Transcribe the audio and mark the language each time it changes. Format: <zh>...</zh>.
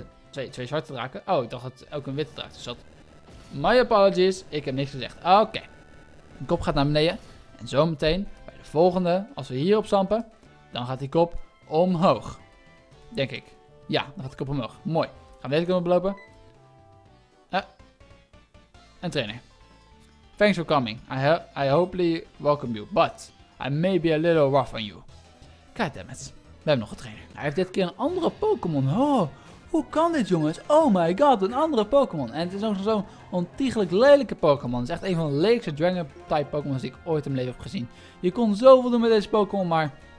<nl>Twee zwarte draken. Oh, ik dacht dat het ook een witte draak zat.</nl> <en>My apologies,</en> <nl>ik heb niks gezegd. Oké. Mijn kop gaat naar beneden. En zometeen, bij de volgende, als we hierop stampen, dan gaat die kop omhoog. Denk ik. Ja, dan gaat de kop omhoog. Mooi. Gaan we deze kant oplopen. En trainer.</nl> <en>Thanks for coming. I hopefully welcome you. But I may be a little rough on you. Goddammit.</en> <nl>We hebben nog een trainer. Hij heeft dit keer een andere Pokémon. Oh, hoe kan dit, jongens?</nl> <en>Oh my god,</en> <nl>een andere Pokémon. En het is ook zo'n ontiegelijk lelijke Pokémon. Het is echt een van de lelijkste Dragon-type Pokémon die ik ooit in mijn leven heb gezien. Je kon zoveel doen met deze Pokémon, maar...</nl>